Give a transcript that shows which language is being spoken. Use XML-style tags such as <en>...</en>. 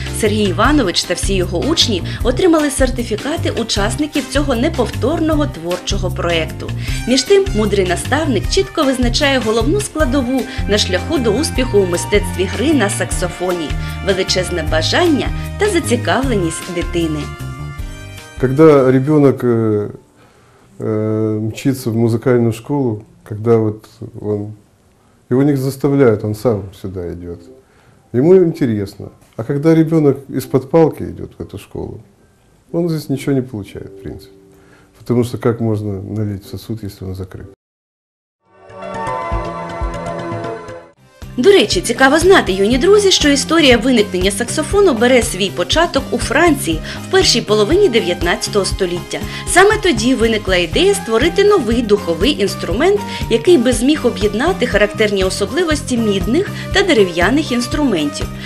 <uk>Сергій Іванович та всі його учні отримали сертифікати учасників цього неповторного творчого проєкту. Між тим, мудрий наставник чітко визначає головну складову на шляху до успіху у мистецтві гри на саксофоні – величезне бажання та зацікавленість дитини.</uk> <ru>Когда ребенок мчится в музыкальную школу, когда вот он, его не заставляют, он сам сюда идет, ему интересно. А когда ребенок из-под палки идет в эту школу, он здесь ничего не получает, в принципе. Потому что как можно налить сосуд, если он закрыт?</ru> <uk>До речі, цікаво знати, юні друзі, що історія виникнення саксофону бере свій початок у Франції в першій половині 19 століття. Саме тоді виникла ідея створити новий духовий інструмент, який би зміг об'єднати характерні особливості мідних та дерев'яних інструментів.</uk>